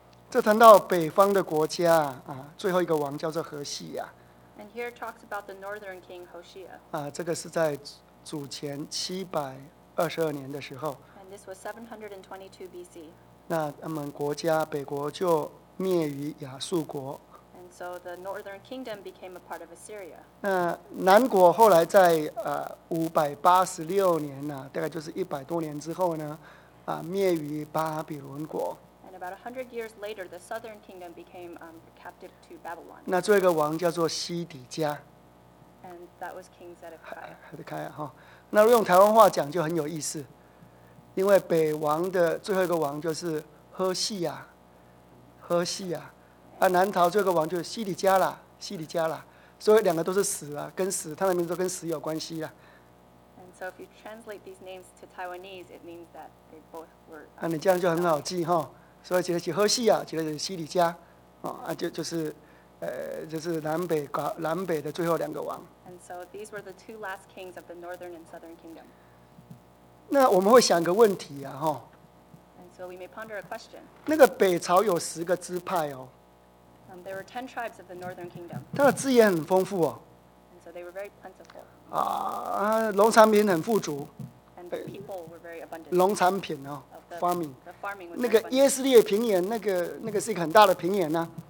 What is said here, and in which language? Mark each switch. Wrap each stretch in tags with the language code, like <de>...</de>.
<zh>这谈到北方的国家最后一个王叫做何西亚。</zh> <en>And here talks about the northern king Hoshea.</en> <zh>这个是在主前722年的时候。</zh> <en>And this was 722 BC.</en> <zh>那他们国家北国就灭于亚述国。</zh> <en>And so the northern kingdom became a part of Assyria.</en> <zh>那南国后来在586年大概就是100多年之后呢灭于巴比伦国。</zh> <en>About 100 years later, the southern kingdom became captive to Babylon.</en> <zh>那最后一个王叫做西底家。</zh> <en>And that was King Zedekiah.</en> <zh>Zedekiah 那用台湾话讲就很有意思，因为北王的最后一个王就是何西亚，何西亚。南朝最后一个王就是西底家啦，西底家啦。所以两个都是死啊，跟死，他的名字都跟死有关系啦。</zh> <en>And So if you translate these names to Taiwanese, it means that they both were.</en> <zh>啊，你这样就很好记哈。所以这个是何西亚，这个是西里加，啊，就是南北的最后两个王。</zh> <en>And so these were the two last kings of the northern and southern kingdom.</en> <zh>那我们会想个问题啊，哈。</zh> <en>And so we may ponder a question.</en> <zh>那个北朝有10个支派哦。</zh> <en>There were 10 tribes of the northern kingdom.</en> <zh>它的资源很丰富哦。</zh> <en>And so they were very plentiful.</en> <zh>啊，农产品很富足。</zh> <en>And the people were very abundant.</en> <zh>农产品哦。Farming.</zh> <en>The farming was</en> <zh>那个耶斯列平原，那个是一个很大的平原呐。</zh>